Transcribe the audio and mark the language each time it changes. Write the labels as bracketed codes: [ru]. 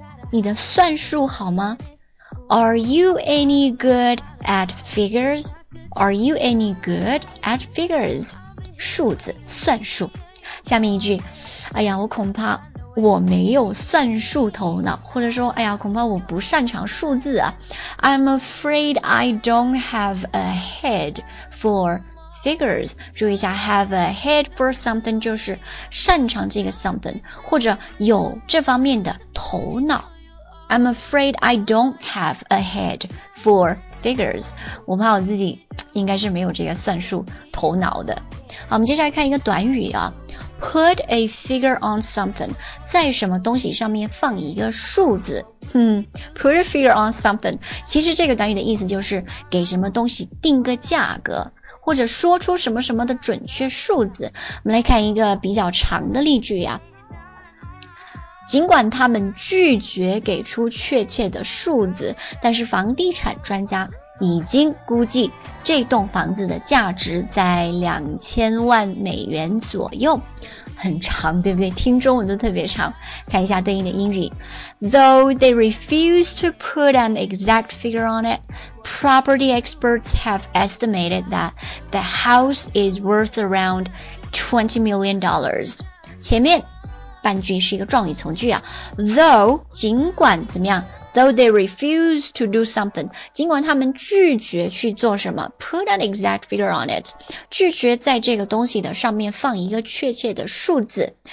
[zh] 你的算术好吗？ [en] Are you any good at figures? Are you any good at figures? [zh] 数字，算术。下面一句，哎呀，我恐怕我没有算术头脑，或者说，哎呀，恐怕我不擅长数字啊。 [en] I'm afraid I don't have a head for figures. [zh] 注意一下 ， [en] have a head for something [zh] 就是擅长这个 something， 或者有这方面的头脑。 [en] I'm afraid I don't have a head for figures. [zh] 我怕我自己应该是没有这个算术头脑的。好，我们接下来看一个短语啊， [en] Put a figure on something， [zh] 在什么东西上面放一个数字。 [en] Put a figure on something， [zh] 其实这个短语的意思就是给什么东西定个价格，或者说出什么什么的准确数字。我们来看一个比较长的例句呀。尽管他们拒绝给出确切的数字，但是房地产专家已经估计这栋房子的价值在2000万美元左右。很长，对不对？听中文都特别长。看一下对应的英语。 [en] Though they refuse to put an exact figure on it, property experts have estimated that the house is worth around $20 million. [zh] 前面半句是一个状语从句啊。 Though, 尽管怎么样？ [en] Though they refuse to do something, [zh] 尽管他们拒绝去做什么， [en] put an exact figure on it, [zh] 拒绝在这个东西的上面放一个确切的数字。